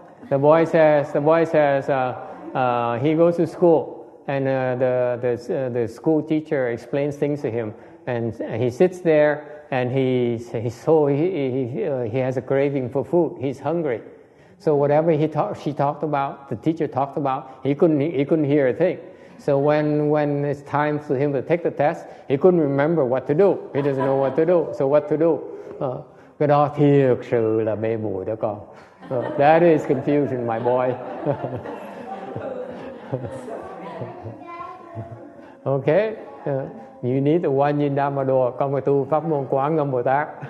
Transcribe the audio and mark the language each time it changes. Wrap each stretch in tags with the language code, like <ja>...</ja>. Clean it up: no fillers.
<en>The boy says, he goes to school, and the school teacher explains things to him, and he sits there, and he has a craving for food. He's hungry, so whatever the teacher talked about, he couldn't hear a thing. So when it's time for him to take the test, he couldn't remember what to do. He doesn't know what to do. So what to do?</en> <vi>Cái đó thiệt sự là mê muội đó con.</vi> <en>That is confusion, my boy. Okay, you need the one yin dhamma do.</en> <vi>Con phải tu pháp môn Quán Âm Bồ Tát.</vi>